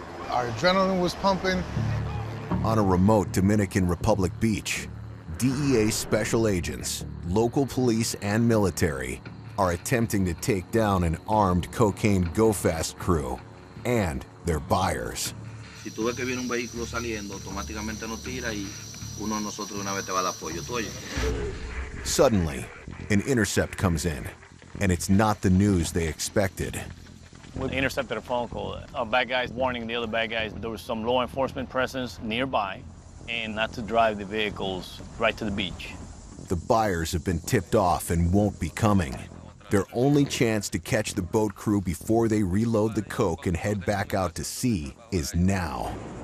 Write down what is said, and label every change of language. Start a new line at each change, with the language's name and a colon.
English: Our adrenaline was pumping. On a remote Dominican Republic beach, DEA special agents, local police, and military are attempting to take down an armed cocaine go-fast crew and their buyers.
Spanish: Si tú ves que viene un vehículo saliendo, automáticamente nos tira y uno de nosotros una vez te va a dar apoyo, ¿tú oyes?
English: Suddenly, an intercept comes in, and it's not the news they expected. We intercepted a phone call. A bad guy is warning the other bad guys there was some law enforcement presence nearby and not to drive the vehicles right to the beach. The buyers have been tipped off and won't be coming. Their only chance to catch the boat crew before they reload the coke and head back out to sea is now.